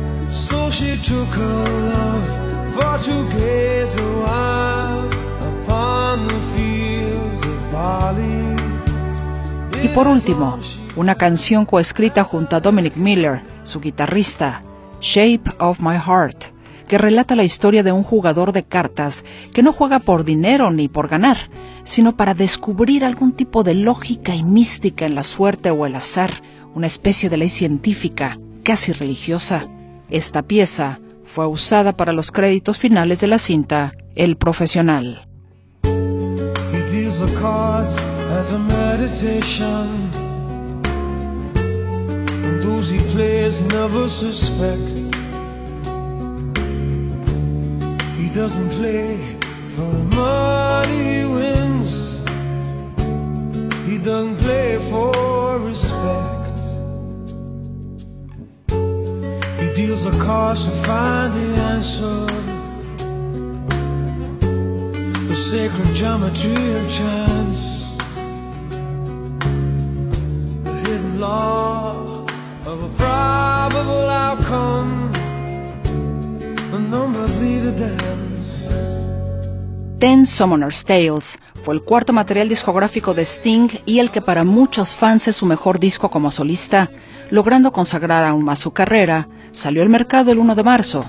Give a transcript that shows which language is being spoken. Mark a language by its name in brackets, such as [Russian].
[English] So she took her love for to gaze a while upon the fields of Bali. [Spanish] Y por último, una canción coescrita junto a Dominic Miller, su guitarrista, Shape of My Heart, que relata la historia de un jugador de cartas que no juega por dinero ni por ganar, sino para descubrir algún tipo de lógica y mística en la suerte o el azar, una especie de ley científica, casi religiosa. Esta pieza fue usada para los créditos finales de la cinta El Profesional. [English] He deals the cards as a meditation. And those he plays never suspect. He doesn't play for the money he wins. He doesn't play for respect. deals a cost to find the answer. The sacred geometry of chance, the hidden law of a probable outcome, the numbers lead a dance. [Spanish] Ten Summoner's Tales fue el cuarto material discográfico de Sting y el que para muchos fans es su mejor disco como solista, logrando consagrar aún más su carrera. Salió al mercado el 1 de marzo